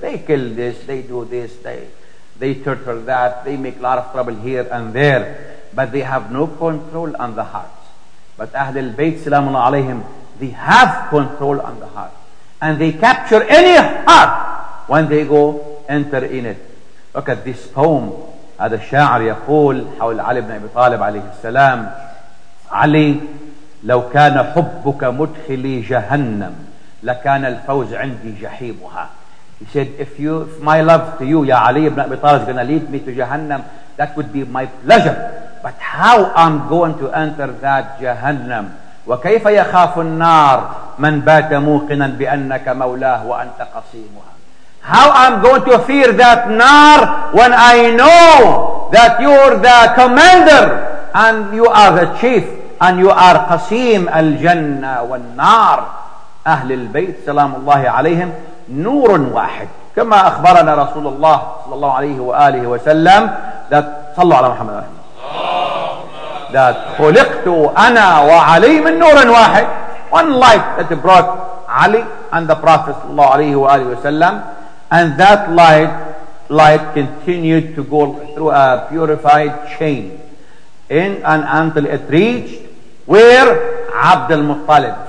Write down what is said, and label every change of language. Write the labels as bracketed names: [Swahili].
[English] They kill this, they do this, they torture that, they make a lot of trouble here and there, but they have no control on the hearts. But Ahlul Bayt salamu alayhim, they have control on the heart, and they capture any heart when they go enter in it. Look at this poem. [Arabic] هذا الشاعر يقول حول علي بن أبي طالب عليه السلام, علي لو كان حبك مدخلي جهنم لكان الفوز عندي جحيمها. [English] He said, if my love to you, ya Ali ibn Abi Talib, is going to lead me to Jahannam, that would be my pleasure. But how I'm going to enter that Jahannam? [Arabic] وكيف يخاف النار من بات موقنا بأنك مولاه وأنت قصيمها. [English] How I'm going to fear that nar when I know that you're the commander and you are the chief and you are [Arabic] قصيم الجنة والنار. أهل البيت سلام الله عليهم نور واحد, كما أخبرنا رسول الله صلى الله عليه وآله وسلم, that صلوا على محمد رحمه الله, that خلقت أنا وعلي من نور واحد. [English] One light that brought Ali and the Prophet [Arabic] صلى الله عليه وآله وسلم, [English] and that light continued to go through a purified chain in and until it reached where Abd al-Muttalib.